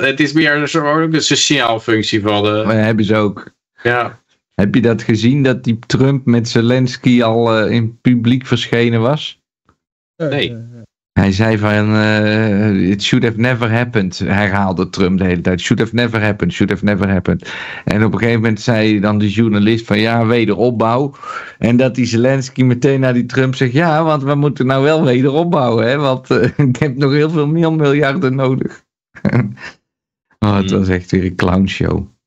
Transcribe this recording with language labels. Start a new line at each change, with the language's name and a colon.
Dutch: Het is meer een signaalfunctie van de... Maar ja, hebben ze ook. Ja. Heb je dat gezien dat die Trump met Zelensky al in publiek verschenen was? Nee. Hij zei van
English: it should have never happened,
Dutch: herhaalde Trump de hele tijd.
English: Should have never happened, should have never happened.
Dutch: En op een gegeven moment zei dan de journalist van ja, wederopbouw. En dat die Zelensky meteen naar die Trump zegt ja, want we moeten nou wel wederopbouwen. Hè, want ik heb nog heel veel meer miljarden nodig. Oh, het was echt weer een clownshow.